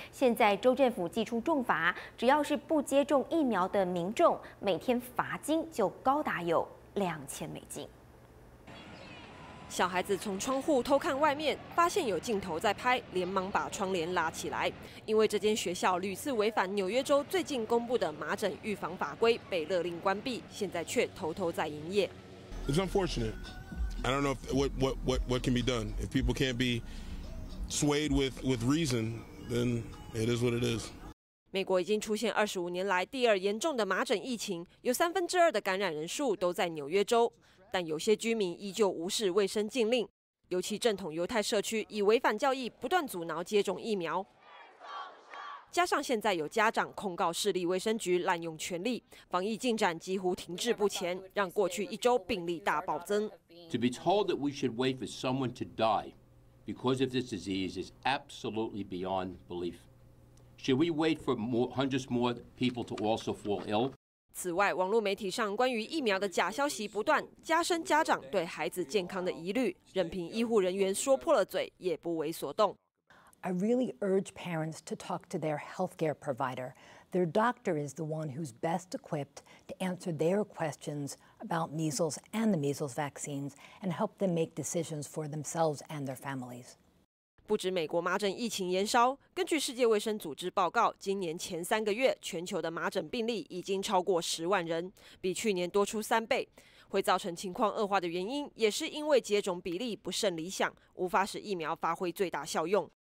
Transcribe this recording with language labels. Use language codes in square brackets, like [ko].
[zh] 现在州政府祭出重罚，只要是不接种疫苗的民众，每天罚金就高达有$2000。小孩子从窗户偷看外面，发现有镜头在拍，连忙把窗帘拉起来。因为这间学校屡次违反纽约州最近公布的麻疹预防法规，被勒令关闭，现在却偷偷在营业。 [en] It's unfortunate. I don't know what can be done. If people can't be swayed with reason, then it is what it is. [zh] 美国已经出现25年来第二严重的麻疹疫情，有2/3的感染人数都在纽约州，但有些居民依旧无视卫生禁令，尤其正统犹太社区以违反教义不断阻挠接种疫苗。加上现在有家长控告市立卫生局滥用权力，防疫进展几乎停滞不前，让过去一周病例大暴增。 [en] To be told that we should wait for someone to die because of this disease is absolutely beyond belief. Should we wait for more, hundreds more people to also fall ill? [zh] 此外，网络媒体上关于疫苗的假消息不断，加深家长对孩子健康的疑虑。任凭医护人员说破了嘴，也不为所动。 [en] I really urge parents to talk to their healthcare provider. Their doctor is the one who's best equipped to answer their questions about measles and the measles vaccines and help them make decisions for themselves and their families. [zh] 不止美国麻疹疫情延烧，根据世界卫生组织报告，今年前3个月，全球的麻疹病例已经超过10万人，比去年多出3倍。会造成情况恶化的原因，也是因为接种比例不甚理想，无法使疫苗发挥最大效用。